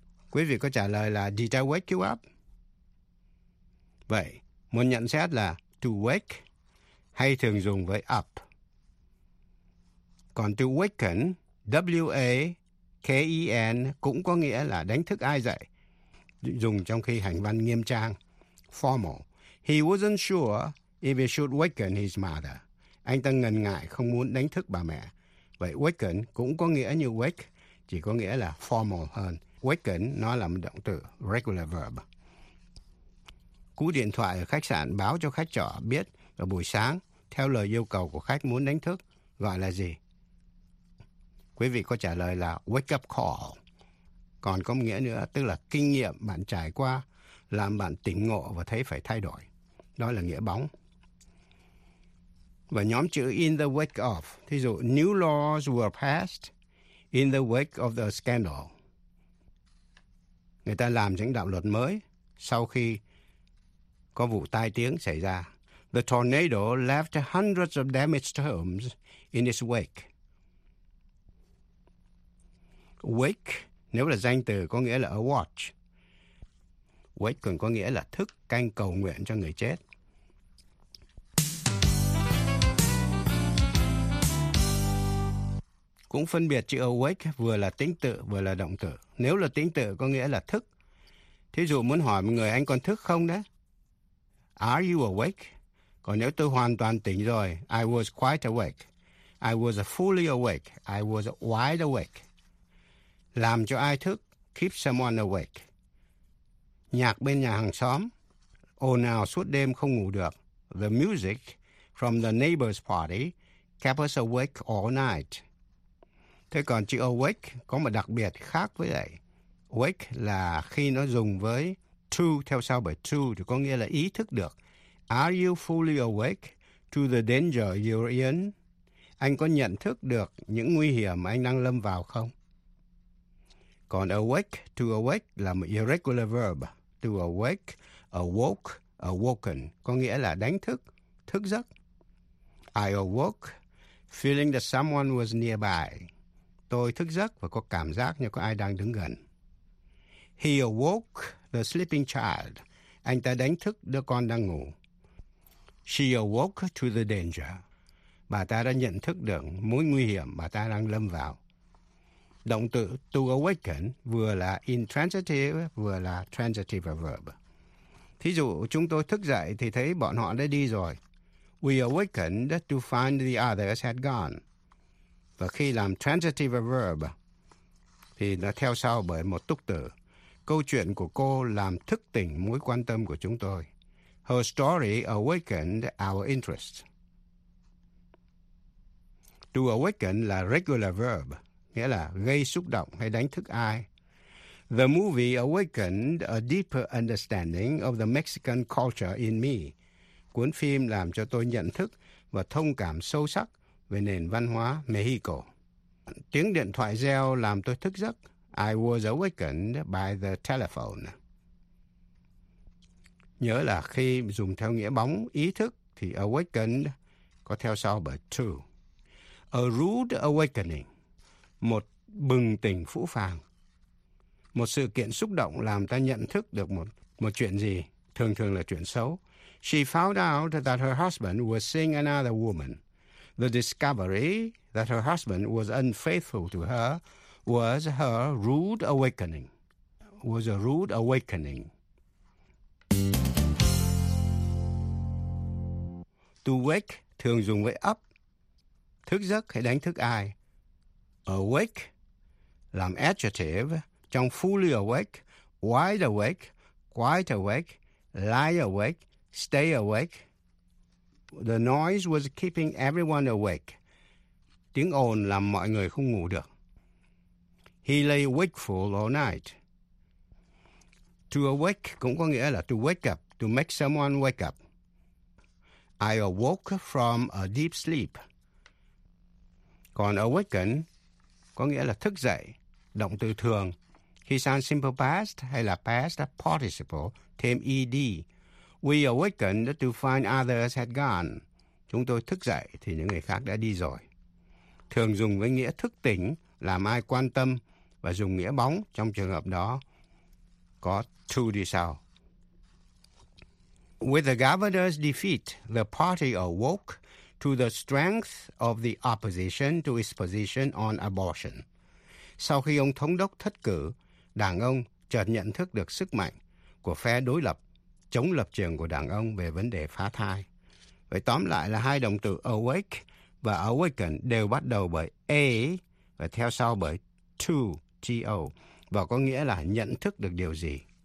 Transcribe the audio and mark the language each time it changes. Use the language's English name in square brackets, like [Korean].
[Vietnamese] Quý vị có trả lời là, [English] did I wake you up? [Vietnamese] Vậy, muốn nhận xét là to wake hay thường dùng với up. Còn to waken, W-A-K-E-N, cũng có nghĩa là đánh thức ai dậy. Dùng trong khi hành văn nghiêm trang, formal. [English] He wasn't sure if he should waken his mother. [Vietnamese] Anh ta ngần ngại không muốn đánh thức bà mẹ. Vậy waken cũng có nghĩa như wake, chỉ có nghĩa là formal hơn. Waken nó là một động từ, regular verb. Cú điện thoại ở khách sạn báo cho khách trọ biết vào buổi sáng, theo lời yêu cầu của khách muốn đánh thức, gọi là gì? Quý vị có trả lời là wake up call. Còn có nghĩa nữa, tức là kinh nghiệm bạn trải qua, làm bạn tỉnh ngộ và thấy phải thay đổi. Đó là nghĩa bóng. Và nhóm chữ [English] in the wake of, [Vietnamese] thí dụ [English] new laws were passed in the wake of the scandal. [Vietnamese] Người ta làm những đạo luật mới sau khi có vụ tai tiếng xảy ra. [English] The tornado left hundreds of damaged homes in its wake. [Vietnamese] Wake nếu là danh từ có nghĩa là a watch. Wake còn có nghĩa là thức canh cầu nguyện cho người chết. Cũng phân biệt chữ awake vừa là tính tự vừa là động tự. Nếu là tính tự có nghĩa là thức. Thí dụ muốn hỏi một người anh còn thức không đấy? [English] Are you awake? [Vietnamese] Còn nếu tôi hoàn toàn tỉnh rồi, [English] I was quite awake. I was fully awake. I was wide awake. [Vietnamese] Làm cho ai thức, [English] keep someone awake. [Vietnamese] Nhạc bên nhà hàng xóm, ồn ào suốt đêm không ngủ được. [English] The music from the neighbor's party kept us awake all night. [Vietnamese] Thế còn chữ awake có một đặc biệt khác với vậy. Wake là khi nó dùng với to, theo sau bởi to thì có nghĩa là ý thức được. [English] Are you fully awake to the danger you're in? [Vietnamese] Anh có nhận thức được những nguy hiểm mà anh đang lâm vào không? Còn awake, to awake là một irregular verb. To awake, awoke, awoken có nghĩa là đánh thức, thức giấc. [English] I awoke feeling that someone was nearby. [Vietnamese] Tôi thức giấc và có cảm giác như có ai đang đứng gần. [English] He awoke the sleeping child. [Vietnamese] Anh ta đánh thức đứa con đang ngủ. [English] She awoke to the danger. [Vietnamese] Bà ta đã nhận thức được mối nguy hiểm bà ta đang lâm vào. Động từ to awaken vừa là intransitive vừa là transitive verb. Thí dụ chúng tôi thức dậy thì thấy bọn họ đã đi rồi. [English] We awakened to find the others had gone. [Vietnamese] Và khi làm transitive verb thì nó theo sau bởi một túc từ. Câu chuyện của cô làm thức tỉnh mối quan tâm của chúng tôi. [English] Her story awakened our interest. [Vietnamese] To awaken là regular verb, nghĩa là gây xúc động hay đánh thức ai. [English] The movie awakened a deeper understanding of the Mexican culture in me. [Vietnamese] Cuốn phim làm cho tôi nhận thức và thông cảm sâu sắc về nền văn hóa Mexico. Tiếng điện thoại reo làm tôi thức giấc. [English] I was awakened by the telephone. [Vietnamese] Nhớ là khi dùng theo nghĩa bóng, ý thức, thì awakened có theo sau bởi to. [English] A rude awakening, [Vietnamese] một bừng tỉnh phũ phàng. Một sự kiện xúc động làm ta nhận thức được một chuyện gì, thường thường là chuyện xấu. [English] She found out that her husband was seeing another woman. The discovery that her husband was unfaithful to her was her rude awakening. Was a rude awakening. [Vietnamese] To wake thường dùng với up, thức giấc hay đánh thức ai. [English] Awake làm adjective trong fully awake, wide awake, quite awake, lie awake, stay awake. The noise was keeping everyone awake. [Vietnamese] Tiếng ồn làm mọi người không ngủ được. [English] He lay wakeful all night. To awake [Vietnamese] cũng có nghĩa là [English] to wake up, to make someone wake up. I awoke from a deep sleep. [Vietnamese] Còn awaken có nghĩa là thức dậy, động từ thường. Khi sang simple past hay là past participle, thêm ed. [English] We awakened to find others had gone. [Vietnamese] Chúng tôi thức dậy thì những người khác đã đi rồi. Thường dùng với nghĩa thức tỉnh, làm ai quan tâm và dùng nghĩa bóng trong trường hợp đó có to đi sau. [English] With the governor's defeat, the party awoke to the strength of the opposition to its position on abortion. [Vietnamese] Sau khi ông thống đốc thất cử, đảng ông chợt nhận thức được sức mạnh của phe đối lập chống lập trường của đảng ông về vấn đề phá thai. Vậy tóm lại là hai động từ awake và awaken đều bắt đầu bởi a và theo sau bởi to, T-O, và có nghĩa là nhận thức được điều gì.